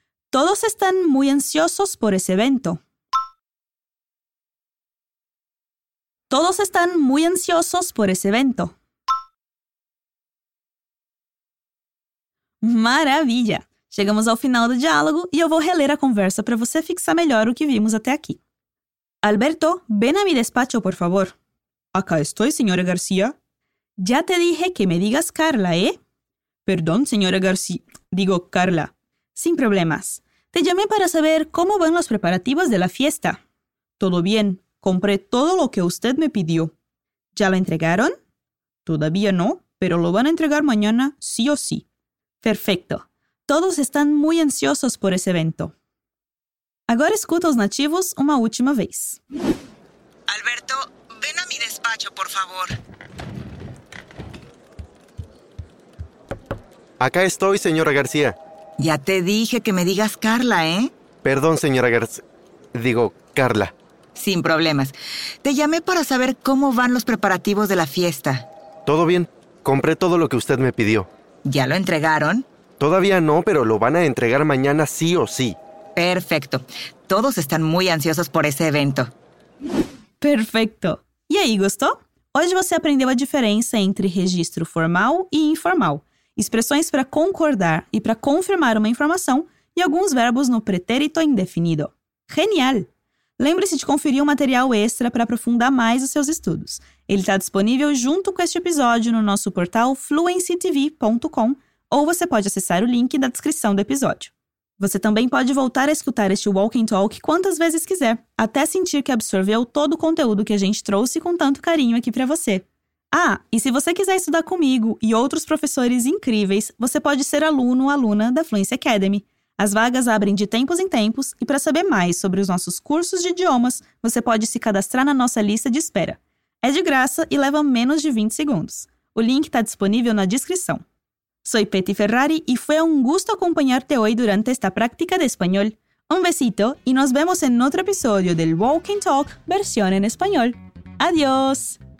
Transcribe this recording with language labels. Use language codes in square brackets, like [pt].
[es] Todos están muy ansiosos por ese evento. Todos están muy ansiosos por ese evento. [pt] Maravilha! Chegamos ao final do diálogo e eu vou reler a conversa para você fixar melhor o que vimos até aqui. [es] Alberto, ven a mi despacho, por favor. Acá estoy, señora García. Ya te dije que me digas Carla, ¿eh? Perdón, señora García. Digo, Carla. Sin problemas. Te llamé para saber cómo van los preparativos de la fiesta. Todo bien. Compré todo lo que usted me pidió. ¿Ya lo entregaron? Todavía no, pero lo van a entregar mañana sí o sí. Perfecto. Todos están muy ansiosos por ese evento. [pt] Agora escuta os nativos uma última vez. [es] Alberto, ven a mi despacho, por favor. Acá estoy, señora García. Ya te dije que me digas Carla, ¿eh? Perdón, señora García. Digo, Carla. Sin problemas. Te llamé para saber cómo van los preparativos de la fiesta. Todo bien. Compré todo lo que usted me pidió. ¿Ya lo entregaron? Todavía no, pero lo van a entregar mañana sí o sí. Perfecto. Todos están muy ansiosos por ese evento. [pt] Perfecto. E aí, gostou? Hoje você aprendeu a diferença entre registro formal e informal, expressões para concordar e para confirmar uma informação e alguns verbos no pretérito indefinido. Genial! Lembre-se de conferir o material extra para aprofundar mais os seus estudos. Ele está disponível junto com este episódio no nosso portal fluencytv.com ou você pode acessar o link na descrição do episódio. Você também pode voltar a escutar este Walk and Talk quantas vezes quiser, até sentir que absorveu todo o conteúdo que a gente trouxe com tanto carinho aqui para você. Ah, e se você quiser estudar comigo e outros professores incríveis, você pode ser aluno ou aluna da Fluency Academy. As vagas abrem de tempos em tempos, e para saber mais sobre os nossos cursos de idiomas, você pode se cadastrar na nossa lista de espera. É de graça e leva menos de 20 segundos. O link está disponível na descrição. [es] Soy Peti Ferrari y fue un gusto acompañarte hoy durante esta práctica de español. Un besito y nos vemos en otro episodio del Walk and Talk versión en español. ¡Adiós!